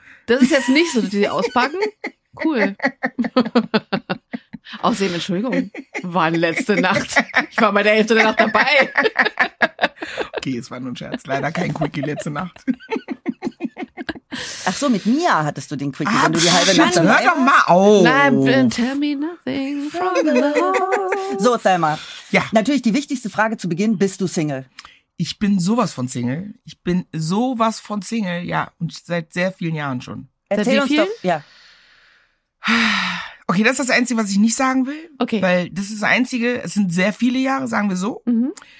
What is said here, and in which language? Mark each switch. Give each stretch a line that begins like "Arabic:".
German: Das ist jetzt nicht so, dass die auspacken? Cool. Außerdem, Entschuldigung, waren letzte Nacht. Ich war bei der Hälfte der Nacht dabei. Okay, es war nur ein Scherz. Leider kein Quickie letzte Nacht. Ach so, mit Mia hattest du den Quickie, wenn du die halbe Nacht dabei warst. Hör doch mal auf.
English: Nein, tell me nothing from the Lord.
German: So, Thelma. Ja. Natürlich die wichtigste Frage zu Beginn, bist du Single? Ich bin sowas von Single. Ich bin sowas von Single, ja. Und seit sehr vielen Jahren schon. Erzähl uns doch. Ja. Okay, das ist das Einzige, was ich nicht sagen will. Okay. Weil das ist das Einzige, es sind sehr viele Jahre, sagen wir so. Mhm.